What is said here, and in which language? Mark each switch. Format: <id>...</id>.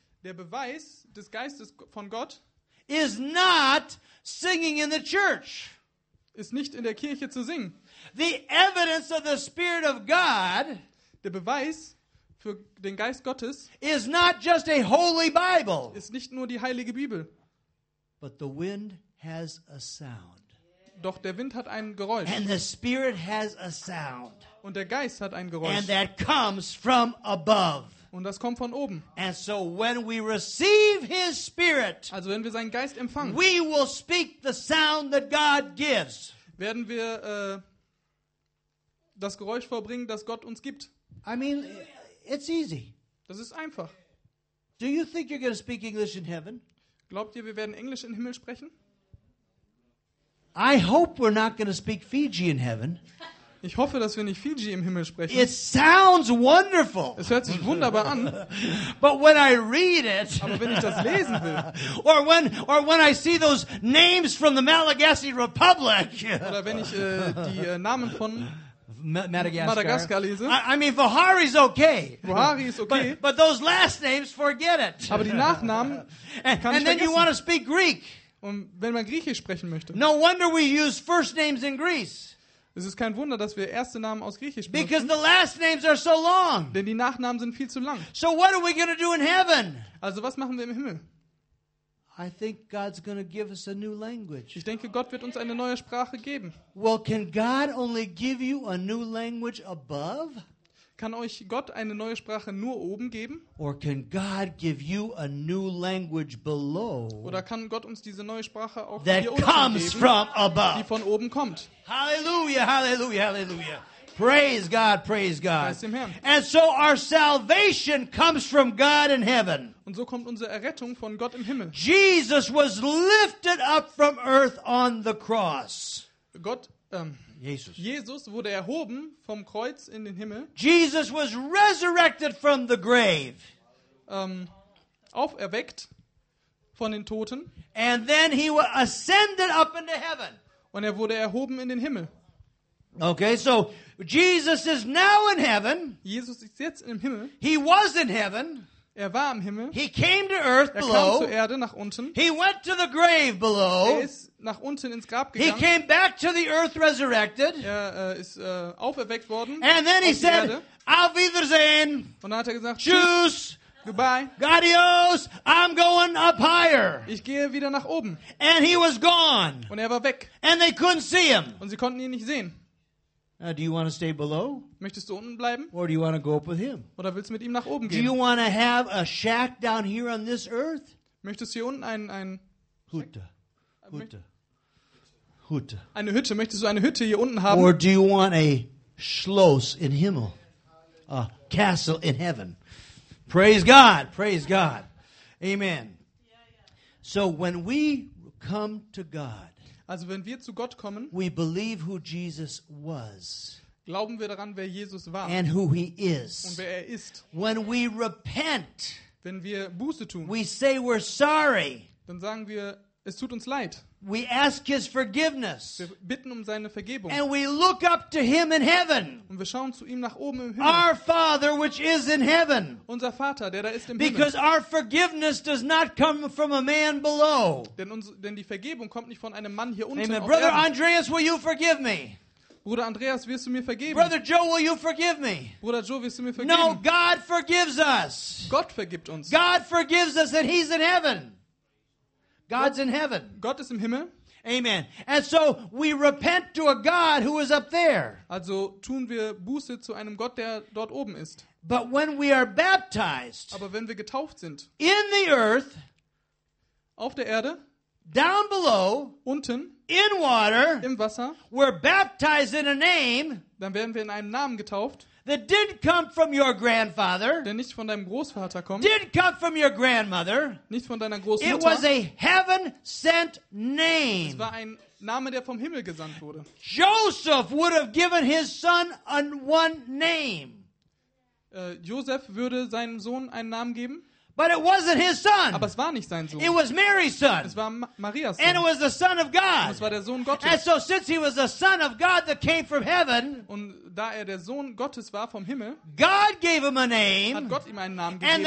<de>der Beweis des Geistes von Gott,</de> <en>is not singing in the church,</en> <de>ist nicht in der Kirche zu singen.</de> <en>The evidence of the Spirit of God,</en> <de>der Beweis für den Geist Gottes,</de> <en>is not just a holy Bible,</en> <de>ist nicht nur die heilige Bibel.</de> <en>But the wind has a sound.</en> <de>Doch der Wind hat ein Geräusch.</de> <en>And the Spirit has a sound.</en> <de>Und der Geist hat ein Geräusch.</de> <en>And that comes from above.</en> <de>Und das kommt von oben.</de> <en>And so when we receive his Spirit,</en> <de>also wenn wir seinen Geist empfangen,</de> <en>we will speak the sound that God gives.</en> <de>Werden wir das Geräusch vorbringen, das Gott uns gibt.</de> <en>I mean, it's easy.</en> <de>Das ist einfach.</de> <en>Do you think you're going to speak English in heaven?</en> <de>Glaubt ihr, wir werden Englisch im Himmel sprechen?</de> <en>I hope we're not going to speak Fiji in heaven.</en> <de>Ich hoffe, dass wir nicht Fiji im Himmel sprechen.</de> <en>It sounds wonderful.</en> <de>Es hört sich wunderbar an.</de> <en>But when I read it,</en> <de>aber wenn ich das lesen will,</de> <en>or when I see those names from the Malagasy Republic,</en> <de>oder wenn ich die Namen von Madagaskar lese,</de> <en>I mean, Vuhari's okay.</en> <de>Vuhari ist okay.</de> <en>But those last names, forget it.</en> <de>Aber die Nachnamen kann ich vergessen.</de> <en>And then you want to speak Greek.</en> <de>Und wenn man Griechisch sprechen möchte.</de> <en>No wonder we use first names in Greece.</en> <de>Es ist kein Wunder, dass wir erste Namen aus Griechisch benutzen.</de> <en>Because the last names are so long.</en> <de>Denn die Nachnamen sind viel zu lang.</de> <en>So what are we going to do in heaven?</en> <de>Also was machen wir im Himmel?</de> <en>I think God's going to give us a new language.</en> <de>Ich denke, Gott wird uns eine neue Sprache geben.</de> <en>Well, can God only give you a new language above?</en> <de>Kann euch Gott eine neue Sprache nur oben geben?</de> <en>Or can God give you a new language below?</en> <de>Oder kann Gott uns diese neue Sprache auch</de> <en>that</en> <de>hier unten</de> <en>comes</en> <de>geben,</de> <en>from above.</en> <de>Die von oben kommt?</de> <en>Hallelujah, hallelujah, hallelujah. Praise God, praise God.</en> <de>Preis dem Herrn.</de> <en>And so our salvation comes from God in heaven.</en> <de>Und so kommt unsere Errettung von Gott im Himmel.</de> <en>Jesus was lifted up from earth on the cross.</en> <de>Gott Jesus wurde erhoben vom Kreuz in den Himmel.</de> <en>Jesus was resurrected from the grave.</en> <de>Auferweckt von den Toten.</de> <en>And then he ascended up into heaven.</en> <de>Und er wurde erhoben in den Himmel.</de> <en>Okay, so Jesus is now in heaven.</en> <de>Jesus ist jetzt im Himmel.</de> <en>He was in heaven.</en> <de>Er war im Himmel.</de> <en>He came to earth below.</en> <de>Er kam zur Erde nach unten.</de> <en>He went to the grave below.</en> <de>Er ist nach unten ins Grab gegangen.</de> <en>He came back to the earth resurrected.</en> <de>Er ist auferweckt worden.</de> <en>And then he said,</en> <de>"Auf Wiedersehen." Und dann hat er gesagt, "Tschüss."</de> <en>Goodbye. Adios. I'm going up higher.</en> <de>Ich gehe wieder nach oben.</de> <en>And he was gone.</en> <de>Und er war weg.</de> <en>And they couldn't see him.</en> <de>Und sie konnten ihn nicht sehen.</de> <en>Now, do you want to stay below?</en> <de>Möchtest du unten bleiben?</de> <en>Or do you want to go up with him?</en> <de>Oder willst du mit ihm nach oben gehen?</de> <en>Do you want to have a shack down here on this earth?</en> <de>Möchtest du hier unten ein Hütte. Eine Hütte. Möchtest du eine Hütte hier unten haben?</de> <en>Or do you want a</en> <de>Schloss in Himmel?</de> <en>A castle in heaven. Praise God. Praise God. Amen. So when we come to God,</en> <de>also wenn wir zu Gott kommen,</de> <en>we believe who Jesus was.</en> <de>Glauben wir daran, wer Jesus war.</de> <en>And who he is.</en> <de>Und wer er ist.</de> <en>When we repent,</en> <de>wenn wir Buße tun,</de> <en>we say we're sorry.</en> <de>Dann sagen wir, es tut uns leid.</de> <en>We ask his forgiveness.</en> <de>Wir bitten um seine Vergebung.</de> <en>And we look up to him in heaven.</en> <de>Und wir schauen zu ihm nach oben im Himmel.</de> <en>Our Father which is in heaven.</en> <de>Unser Vater, der da ist im Himmel.</de> <en>Because our forgiveness does not come from a man below.</en> <de>Denn die Vergebung kommt nicht von einem Mann hier unten.</de> <en>Amen. Brother Andreas, will you forgive me?</en> <de>Bruder Andreas, wirst du mir vergeben?</de> <en>Brother Joe, will you forgive me?</en> <de>Bruder Joe, wirst du mir vergeben?</de> <en>No, God forgives us.</en> <de>Gott vergibt uns.</de> <en>God forgives us and he's in heaven. God's in heaven.</en> <de>Gott ist im Himmel.</de> <en>Amen. And so we repent to a God who is up there.</en> <de>Also tun wir Buße zu einem Gott, der dort oben ist.</de> <en>But when we are baptized,</en> <de>aber wenn wir getauft sind,</de> <en>in the earth,</en> <de>auf der Erde,</de> <en>down below,</en> <de>unten,</de> <en>in water,</en> <de>im Wasser,</de> <en>we're baptized in a name,</en> <de>dann werden wir in einem Namen getauft,</de> <en>that didn't come from your grandfather,</en> <de>der nicht von deinem Großvater kommt,</de> <en>didn't come from your grandmother,</en> <de>nicht von deiner Großmutter.</de> <en>It was a heaven sent name.</en> <de>Es war ein Name, der vom Himmel gesandt wurde.</de> <en>Joseph would have given his son one name.</en> <de>Joseph würde seinem Sohn einen Namen geben.</de> <en>But it wasn't his son.</en> <de>Aber es war nicht sein Sohn.</de> <en>It was Mary's son.</en> <de>Es war Marias Sohn.</de> <en>And it was the son of God.</en> <de>Und es war der Sohn Gottes.</de> <en>And so since he was the son of God that came from heaven,</en> <de>und da er der Sohn Gottes war vom Himmel,</de> <en>God gave him a name.</en> <de>Hat Gott ihm einen Namen gegeben.</de>